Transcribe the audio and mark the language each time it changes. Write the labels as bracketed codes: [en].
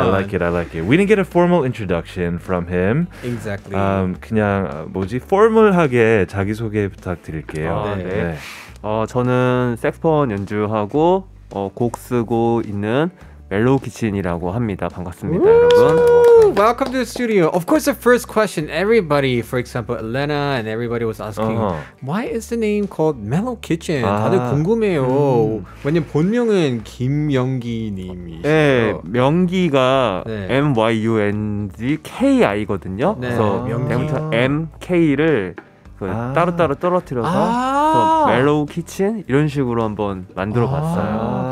[en] I like it. I like it. We didn't get a formal introduction from him. Exactly. [ko] 그냥 뭐지? 포멀하게 자기 소개 부탁드릴게요. 네. 네. 저는 색스폰 연주하고 곡 쓰고 있는 멜로우 키친이라고 합니다. 반갑습니다, 여러분. [en] Welcome to the studio. Of course, the first question, everybody, for example, Elena and everybody was asking, why is the name called Mellow Kitchen? [ko] 다들 궁금해요. 왜냐면 본명은 김영기님이시죠. 네, 명기가 네. M-Y-U-N-G-K-I거든요. 네. 그래서 대부터 M-K를 따로따로 떨어뜨려서 멜로우 키친 이런 식으로 한번 만들어봤어요.